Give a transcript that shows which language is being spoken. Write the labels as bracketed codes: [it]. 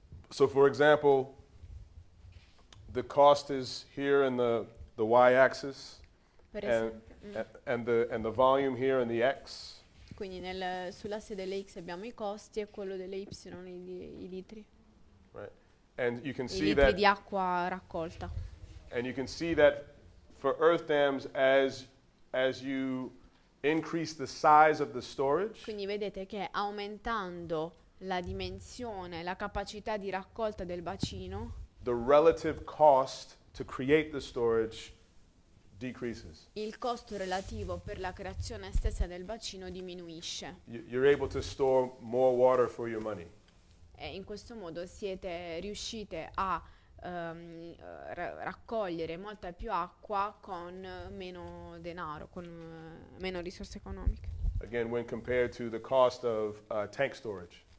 [en] So for example, the cost is here in the y-axis and the volume here in the x. [it] Quindi sull'asse delle x abbiamo i costi e quello delle y i litri. [en] Right. And you can I see that [it] di acqua raccolta. [en] And you can see that for earth dams as you increase the size of the storage. [it] Quindi vedete che aumentando la dimensione, la capacità di raccolta del bacino, [en] the relative cost to create the storage decreases. [it] Il costo relativo per la creazione stessa del bacino diminuisce. [en] You're able to store more water for your money. [it] E in questo modo siete riuscite a raccogliere molta più acqua con meno denaro, con meno risorse economiche. [en] Again, when compared to the cost of tank storage.